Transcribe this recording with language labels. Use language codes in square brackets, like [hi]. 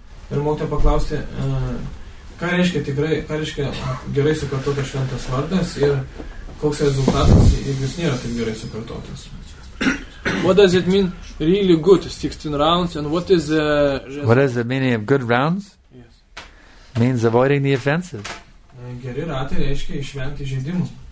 [lt] Ir mokyta paklausti, ką reiškia tikrai, ką reiškia gerai sukartotas šventas vardas ir koks rezultatas, jeigu jis nėra taip gerai sukartotas. [en] What does it mean really good 16 rounds and what is the... What is the meaning of good rounds? Yes. Means avoiding the offenses. [lt] Geri ratai reiškia išvengti žaidimų.